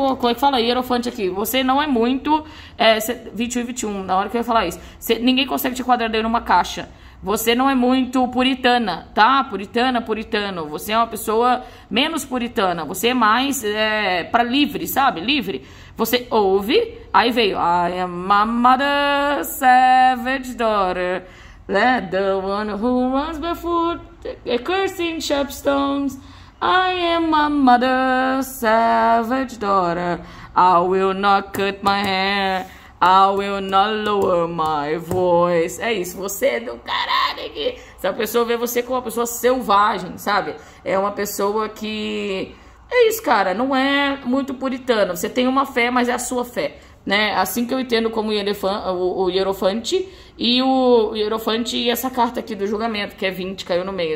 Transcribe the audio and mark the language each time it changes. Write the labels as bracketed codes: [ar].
[pt] Como é que fala aí, Hierofante aqui? Você não é muito. 21 e 21, na hora que eu ia falar isso. Ninguém consegue te enquadrar dentro de uma caixa. Você não é muito puritana, tá? Puritana, puritano. Você é uma pessoa menos puritana. Você é mais para livre, sabe? Livre. Você ouve, aí veio. [en] I am my mother's savage daughter. Let the one who runs before cursing sharp stones. I am my mother's savage daughter. I will not cut my hair. I will not lower my voice. [pt] É isso, você é do caralho aqui. Essa pessoa vê você como uma pessoa selvagem, sabe? É uma pessoa que. É isso, cara, não é muito puritana. Você tem uma fé, mas é a sua fé, né? Assim que eu entendo como o Hierofante. E o Hierofante e essa carta aqui do julgamento, que é 20, caiu no meio.